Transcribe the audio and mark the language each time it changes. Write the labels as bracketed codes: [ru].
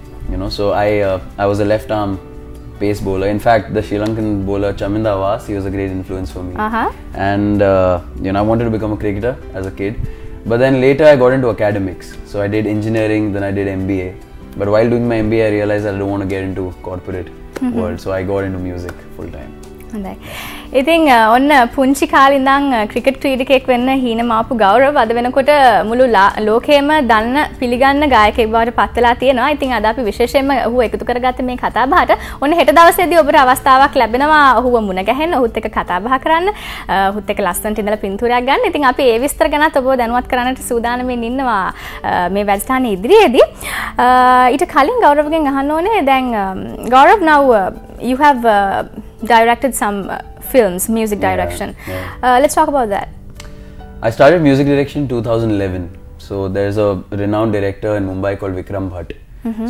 [en] You know, so I was a left arm pace bowler. In fact, the Sri Lankan bowler Chaminda Awas, he was a great influence for me. Uh-huh. And you know, I wanted to become a cricketer as a kid. But then later I got into academics. So I did engineering, then I did MBA. But while doing my MBA, I realized that I don't want to get into corporate world. So I got into music full time. [si] ඉතින් ඔන්න පුංචි කාලින්දං cricket ක්‍රීඩකෙක් වෙන්න හීන මාපු ගෞරව අද වෙනකොට මුළු ලෝකයේම දන්න පිළිගන්න ගායකයෙක් බවට පත් වෙලා තියෙනවා. ඉතින් අද අපි විශේෂයෙන්ම ඔහු එකතු කරගත්ත මේ කතාබහට ඔන්න හෙට දවසේදී ඔබට අවස්ථාවක් ලැබෙනවා ඔහුව මුණ ගැහෙන්න, ඔහුත් එක්ක කතාබහ කරන්න, ඔහුත් එක්ක ලස්සනට ඉඳලා පින්තූරයක් ගන්න. ඉතින් අපි ඒ විස්තර ගැනත් ඔබව දැනුවත් කරන්නට සූදානමින් ඉන්නවා මේ වැඩසටහන ඉදිරියේදී. ඊට කලින් ගෞරවගෙන් අහන්න ඕනේ, දැන් ගෞරව, [en] now you have directed some films, music direction. Let's talk about that. I started music direction in 2011. So there's a renowned director in Mumbai called Vikram Bhatt. Mm-hmm.